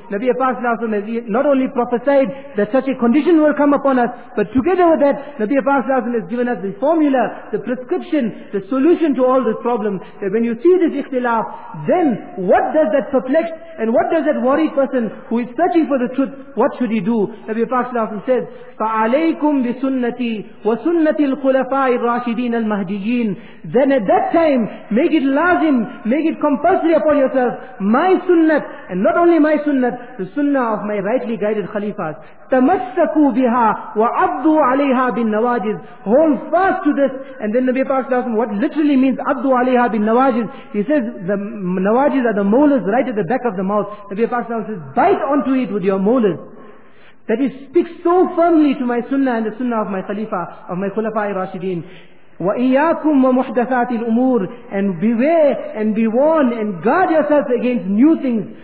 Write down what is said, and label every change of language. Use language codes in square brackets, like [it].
[en] Nabi Muhammad has not only prophesied that such a condition will come upon us, but together with that, Nabi Muhammad has given us the formula, the prescription, the solution to all this problem, that when you see this اختلاف, then what does that perplexed and what does that worried person who is searching for the truth, what should he do? Nabi Muhammad says, [ar] فَعَلَيْكُمْ بِسُنَّتِي وَسُنَّتِ الْخُلَفَاءِ الرَّاشِدِينَ الْمَهْدِيِّينَ, [en] then at that time, make it lazim, make it compulsory upon yourself, my sunnat, and not only my sunnat, the sunnah of my rightly guided khalifas. [ar] تَمَسَّكُوا بِهَا وَعَبْدُوا عَلَيْهَا بِالنَّوَاجِزِ, [en] hold fast to this. And then Nabi Muhammad, what literally means [ar] عَبْدُوا عَلَيْهَا بِالنَّوَاجِزِ, [en] he says the nawajiz are the molars right at the back of the mouth. Nabi Muhammad says, bite onto it with your molars. That is, speak so firmly to my sunnah and the sunnah of my khalifa, of my khulafa-i-rashideen. [ar] وَإِيَّاكُمْ وَمُحْدَثَاتِ الْأُمُورِ [en] And beware and be warned and guard yourself against new things.